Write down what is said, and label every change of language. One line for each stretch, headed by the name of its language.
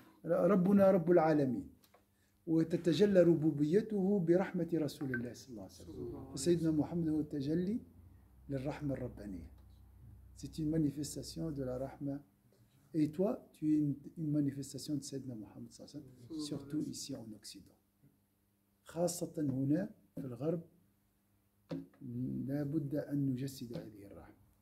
Arabic: ربنا رب العالمين وتتجلى ربوبيته برحمة رسول الله صلى الله عليه وسلم سيدنا محمد هو التجلي للرحمة الربانية.
French: C'est une manifestation de la rahma. Et toi, tu es une manifestation de
Arabic: سيدنا محمد صلى الله عليه وسلم,
French: surtout ici en Occident.
Arabic: خاصة هنا في الغرب لابد أن نجسد هذه الرحمة.